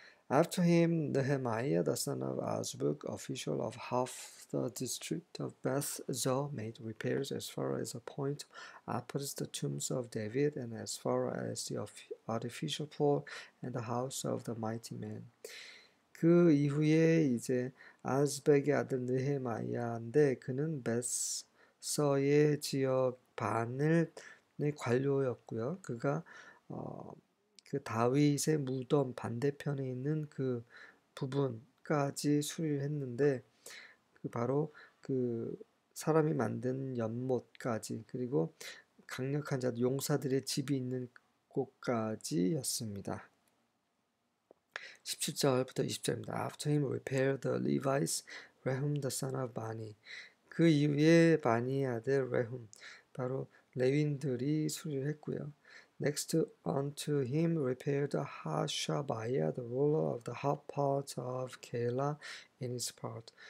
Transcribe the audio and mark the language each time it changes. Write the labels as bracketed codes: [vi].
[en] After him, Nehemiah, the son of Azbuk, official of half the district of Beth Zur, made repairs as far as a point opposite the tombs of David and as far as the artificial pool and the house of the mighty man. [ko] 그 이후에 이제 아즈벡의 아들 느헤마야인데, 그는 벳서의 지역 반을 관료였고요. 그가 그 다윗의 무덤 반대편에 있는 그 부분까지 수리했는데, 그 바로 그 사람이 만든 연못까지, 그리고 강력한 자들, 용사들의 집이 있는 곳까지였습니다. 17절부터 20절입니다. [en] After him repaired the Levites, Rehum the son of Bani. [ko] 그 이후에 바니의 아들 레훔, 바로 레윈들이 수리를 했고요. [en] Next unto him repaired Hashabiah, the ruler of the half part of Keilah in his part.